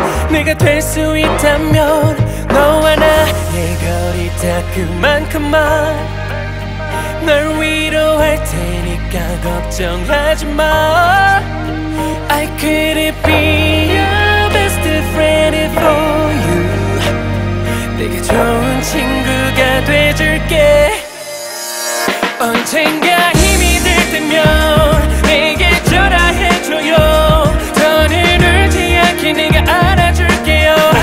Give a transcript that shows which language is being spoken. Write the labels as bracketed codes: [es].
[ko] 내가 될 수 있다면 너와 나의 거리 닿 그만큼만 널 위로할 테니까 걱정하지 마. [en] I couldn't be your best friend for you. [ko] 내게 좋은 친구가 돼줄게. 언젠가 힘이 들 때면 내게 전화 해줘요. 더는 울지 않게 내가 알아줄게요.